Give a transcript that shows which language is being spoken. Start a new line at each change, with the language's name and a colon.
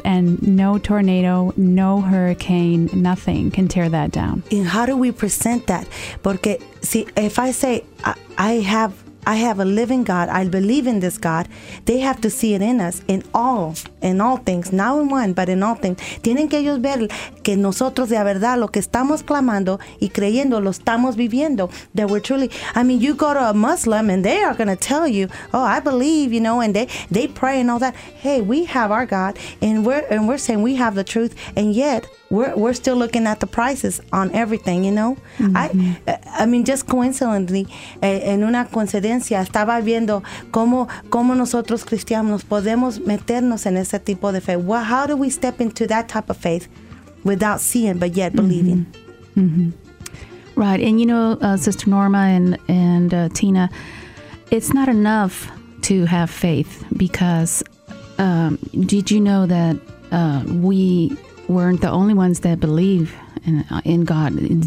English: And no tornado, no hurricane, nothing can tear that down. And how do we present that? Porque, see, if I say I have a living God, I believe in this God, they have to see it in us, in all things, not in one, but in all things.
Spanish: Tienen que ellos ver que nosotros de verdad lo que estamos clamando y creyendo lo estamos viviendo.
English: That we're truly, I mean, you go to a Muslim and they are going to tell you, oh, I believe, you know, and they pray and all that. Hey, we have our God, and we're saying we have the truth, and yet we're still looking at the prices on everything, you know? I mean, just coincidentally,
Spanish: en una coincidencia, estaba viendo cómo nosotros cristianos podemos meternos en ese tipo de fe.
English: Well, how do we step into that type of faith without seeing but yet believing? Right. And you know, Sister Norma and Tina, it's not enough to have faith, because did you know that we weren't the only ones that believe in God?